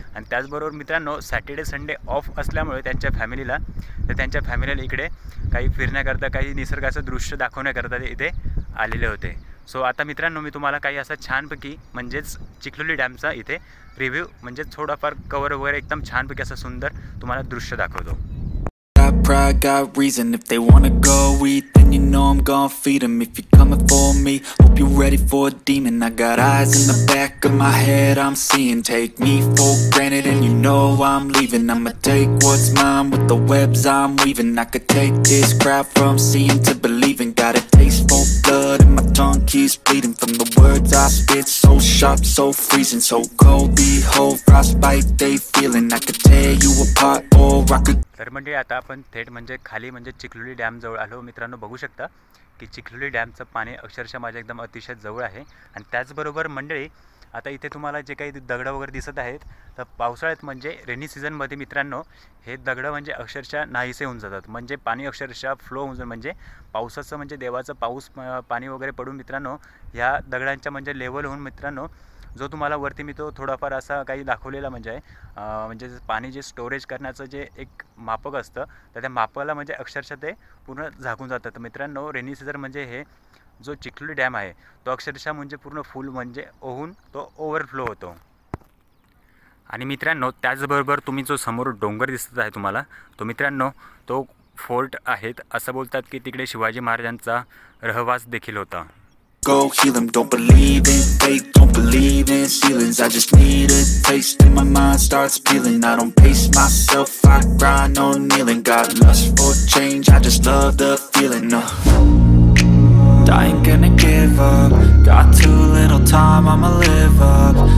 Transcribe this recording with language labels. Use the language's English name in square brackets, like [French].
[Marathi] आणि त्याचबरोबर मित्रांनो, सॅटर्डे संडे ऑफ असल्यामुळे त्यांच्या फॅमिलीला तर त्यांच्या फॅमिलीला इकडे काही फिरण्याकरता काही निसर्गाचं दृश्य दाखवण्याकरता ते इथे आलेले होते. सो आता मित्रांनो, मी तुम्हाला काही असं छानपैकी म्हणजेच चिखलोली डॅमचा इथे रिव्ह्यू म्हणजेच थोडंफार कवर वगैरे एकदम छानपैकी असं सुंदर तुम्हाला दृश्य दाखवतो. [English] Pride got reason, if they wanna go eat, then you know I'm gon' feed them. If you're coming for me, hope you're ready for a demon. I got eyes in the back of my head, I'm seeing. Take me for granted and you know I'm leaving. I'ma take what's mine with the webs I'm weaving. I could take this crowd from seeing to believing. Got a taste for blood and my tongue keeps bleeding. From the words I spit, so sharp, so freezing. So cold, behold, frostbite, they feeling. I could tear you apart or I could... [Marathi] तर मंडळी, आता आपण थेट म्हणजे खाली म्हणजे चिखलोली डॅमजवळ आलो. मित्रांनो, बघू शकता की चिखलोली डॅमचं पाणी अक्षरशः माझ्या एकदम अतिशय जवळ आहे. आणि त्याचबरोबर मंडळी, आता इथे तुम्हाला जे काही दगडं वगैरे दिसत आहेत, तर पावसाळ्यात म्हणजे रेनी सीझनमध्ये मित्रांनो, हे दगडं म्हणजे अक्षरशः नाहीसे होऊन जातात. म्हणजे पाणी अक्षरशः फ्लो होऊन जातं. म्हणजे पावसाचं म्हणजे देवाचं पाऊस पाणी वगैरे पडून मित्रांनो, ह्या दगडांच्या म्हणजे लेवल होऊन मित्रांनो, जो तुम्हाला वरती मी तो थोडाफार असा काही दाखवलेला म्हणजे आहे, म्हणजे पाणी जे स्टोरेज करण्याचं जे एक मापक असतं, तर त्या मापकाला म्हणजे अक्षरशः ते पूर्ण झाकून जातात. मित्रांनो, रेनी सीझन म्हणजे हे जो चिखलोली डॅम आहे तो अक्षरशः म्हणजे पूर्ण फुल म्हणजे ओहून तो ओव्हरफ्लो होतो. आणि मित्रांनो, त्याचबरोबर तुम्ही जो समोर डोंगर दिसत आहे तुम्हाला, तो मित्रांनो तो फोर्ट आहेत असं बोलतात की तिकडे शिवाजी महाराजांचा रहवास देखील होता. [English] Go heal them, don't believe in faith, don't believe in ceilings. I just need a taste and my mind starts peeling. I don't pace myself, I grind on kneeling. Got lust for change, I just love the feeling. I ain't gonna give up, got too little time, I'ma live up.